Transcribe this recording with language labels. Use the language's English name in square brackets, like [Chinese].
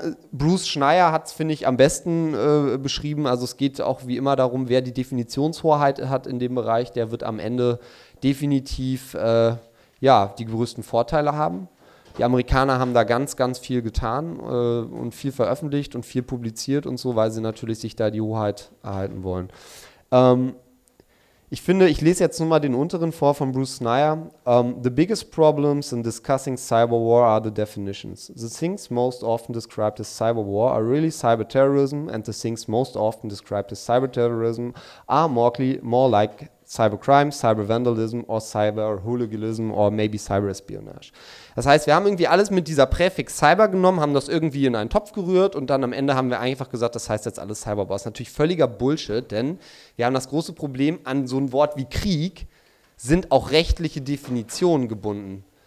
[German] Bruce Schneier hat es, finde ich, am besten beschrieben. Also es geht auch wie immer darum, wer die Definitionshoheit hat in dem Bereich, der wird am Ende definitiv die größten Vorteile haben. Die Amerikaner haben da ganz, ganz viel getan und viel veröffentlicht und viel publiziert und so, weil sie natürlich sich da die Hoheit erhalten wollen. Ich finde, ich lese jetzt nur mal den unteren vor von Bruce Schneier. [English] The biggest problems in discussing cyber war are the definitions. The things most often described as cyber war are really cyber terrorism and the things most often described as cyber terrorism are more like Cybercrime, Cybervandalism or Cyberhooliganism or maybe Cyberespionage. [German] Das heißt, wir haben irgendwie alles mit dieser Präfix Cyber genommen, haben das irgendwie in einen Topf gerührt und dann am Ende haben wir einfach gesagt, das heißt jetzt alles Cyberwar. Das ist natürlich völliger Bullshit, denn wir haben das große Problem, an so ein Wort wie Krieg sind auch rechtliche Definitionen gebunden.